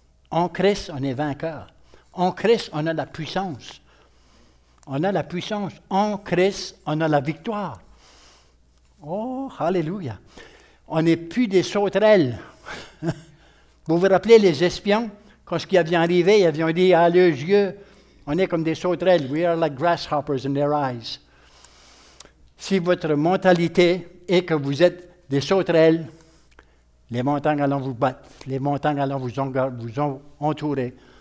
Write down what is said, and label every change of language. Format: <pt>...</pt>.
<fr>En Christ, on est vainqueur. En Christ, on a la puissance. On a la puissance. En Christ, on a la victoire. Oh, alléluia. On n'est plus des sauterelles. Vous vous rappelez les espions? Quand ce qui avait arrivé, ils avaient dit, à leurs yeux, on est comme des sauterelles.</fr> <en>We are like grasshoppers in their eyes.</en> <fr>Si votre mentalité est que vous êtes des sauterelles, les montagnes allant vous battre, les montagnes allant vous entourer.</fr>